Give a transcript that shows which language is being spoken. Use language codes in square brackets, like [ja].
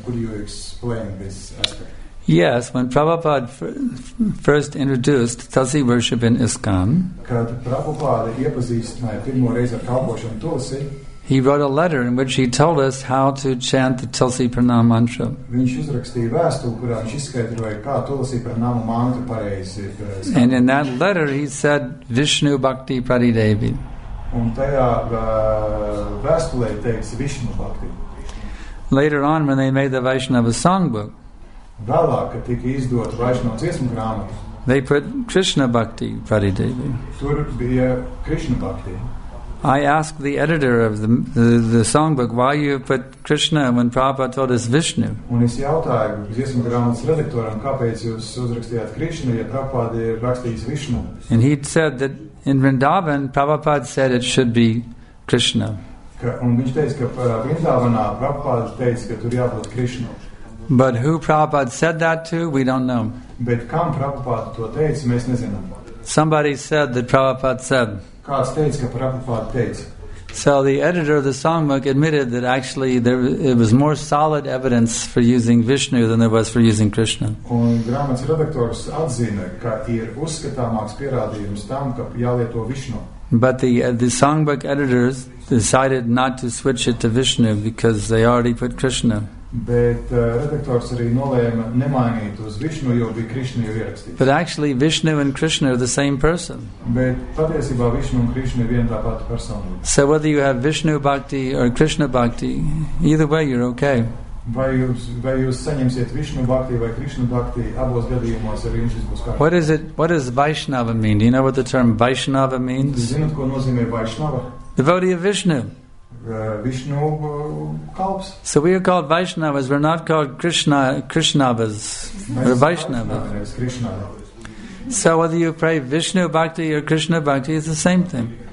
[en] Could you explain this aspect? Yes, when Prabhupada first introduced Tulsi worship in ISKCON, [lv] kad Prabhupada iepazīstināja pirmo reizi ar kalpošanu Tulsi, [en] he wrote a letter in which he told us how to chant the Tulsi Pranama Mantra. [lv] Viņš uzrakstīja vēstuli, kurā viņš izskaidroja, kā Tulsi Pranama Mantra pareizi. [en] And in that letter he said, Vishnu Bhakti Pradidevi. [lv] Un tajā vēstulē teiks Vishnu Bhakti. [en] Later on, when they made the Vaishnava songbook, [lv] vēlāk, kad tika izdot Vaishnava dziesmu grāmatu, [en] they put Krishna Bhakti Pradidevi. [lv] Tur bija Krishna Bhakti. [en] I asked the editor of the songbook, why you put Krishna when Prabhupada told us Vishnu? [lv] Un es jautāju dziesmu grāmatas redaktoram, kāpēc jūs uzrakstījāt Krishna, ja Prabhupada ir rakstījis Vishnu? [en] And he said that in Vrindavan, Prabhupada said it should be Krishna. [lv] Un viņš teica, ka Vrindavanā Prabhupada teica, ka tur jābūt Krishna. [en] But who Prabhupada said that to, we don't know. [lv] Bet kam Prabhupada to teica, mēs nezinām. [en] Somebody said that Prabhupada said. [lv] Kāds teica, ka Prabhupada teica. [en] So the editor of the songbook admitted that actually there it was more solid evidence for using Vishnu than there was for using Krishna. [lv] Un grāmatas redaktors atzina, ka ir uzskatāmāks pierādījums tam, ka jālieto Vishnu. [en] But the songbook editors decided not to switch it to Vishnu because they already put Krishna. [lv] Bet redaktors arī nolēma nemainīt uz Vishnu, jo bija Krishna jau ierakstīts. [en] But actually Vishnu and Krishna are the same person. [lv] Bet patiesībā Vishnu un Krishna ir viena tā pati persona. [en] So whether you have Vishnu Bhakti or Krishna Bhakti, either way you're okay. [lv] Vai jūs saņemsiet Vishnu Bhakti vai Krishna Bhakti, abos gadījumos arī jums būs kārtībā. [en] What is it? What does Vaishnava mean? Do you know what the term Vaishnava means? [lv] Zinat, ko nozīmē Vaishnava? [en] Devotee of Vishnu. [lv] Vishnu kalps. [en] So we are called Vaishnavas, we're not called Krishnavas. We're Vaishnavas. So whether you pray Vishnu Bhakti or Krishna Bhakti, it's the same thing.